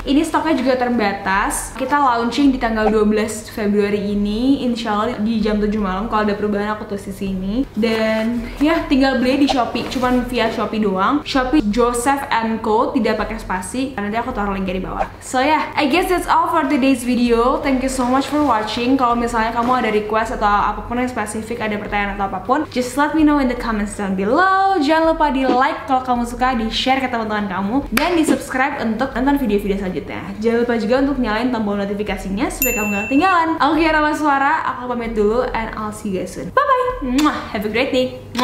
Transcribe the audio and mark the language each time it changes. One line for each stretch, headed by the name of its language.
Indonesian: Ini stoknya juga terbatas. Kita launching di tanggal 12 Februari ini, insya Allah di jam 7 malam. Kalau ada perubahan aku tulis di sini. Dan ya tinggal beli di Shopee, cuman via Shopee doang. Shopee JOSEPH&CO, tidak pakai spasi. Nanti aku taruh linknya di bawah.
English: So yeah, I guess that's all for today's video. Thank you so much for watching.
Indonesian: Kalau misalnya kamu ada request atau apapun yang spesifik, ada pertanyaan atau apapun,
English: just let me know in the comments down below.
Indonesian: Jangan lupa di like kalau kamu suka, di share ke teman-teman kamu, dan di subscribe untuk nonton video-video selanjutnya. Jangan lupa juga untuk nyalain tombol notifikasinya supaya kamu gak ketinggalan. Aku Kiara Leswara, aku pamit dulu,
English: and I'll see you guys soon. Bye-bye. Have a great day.